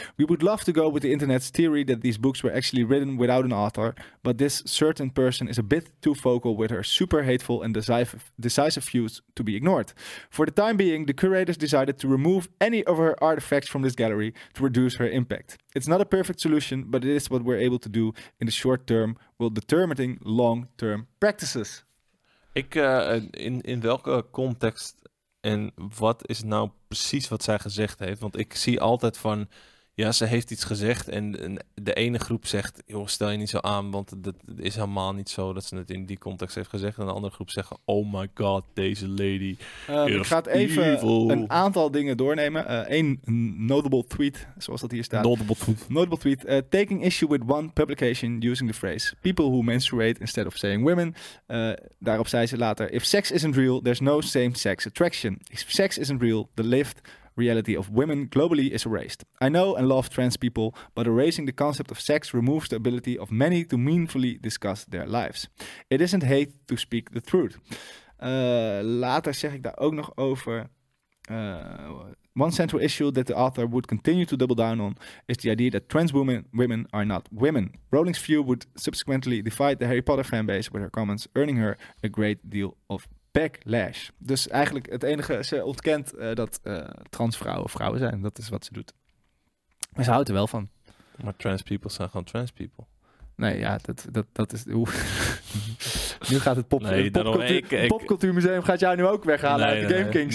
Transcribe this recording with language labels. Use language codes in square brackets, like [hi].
[en] We would love to go with the internet's theory that these books were actually written without an author, but this certain person is a bit too vocal with her super hateful and decisive views to be ignored. For the time being, the curators decided to remove any of her artifacts from this gallery to reduce her impact. It's not a perfect solution, but it is what we're able to do in the short term while determining long-term practices. [nl] Ik, in welke context en wat is nou precies wat zij gezegd heeft? Want ik zie altijd van, ja, ze heeft iets gezegd en de ene groep zegt, joh, stel je niet zo aan, want dat is helemaal niet zo dat ze het in die context heeft gezegd. En de andere groep zegt, oh my god, deze lady Ik ga even een aantal dingen doornemen. Eén notable tweet, zoals dat hier staat. [en] Notable tweet. Taking issue with one publication using the phrase, people who menstruate instead of saying women. Daarop zei ze later, if sex isn't real, there's no same-sex attraction. If sex isn't real, the lift reality of women globally is erased. I know and love trans people, but erasing the concept of sex removes the ability of many to meaningfully discuss their lives. It isn't hate to speak the truth. [nl] Later zeg ik daar ook nog over. [en] One central issue that the author would continue to double down on is the idea that trans women are not women. Rowling's view would subsequently divide the Harry Potter fanbase with her comments, earning her a great deal of backlash. [nl] Dus eigenlijk het enige, ze ontkent dat transvrouwen vrouwen zijn. Dat is wat ze doet. Maar ze houdt er wel van. Maar trans people zijn gewoon trans people. Nee, ja, dat is... Nu gaat het popcultuurmuseum gaat jou nu ook weghalen uit de Game Kings.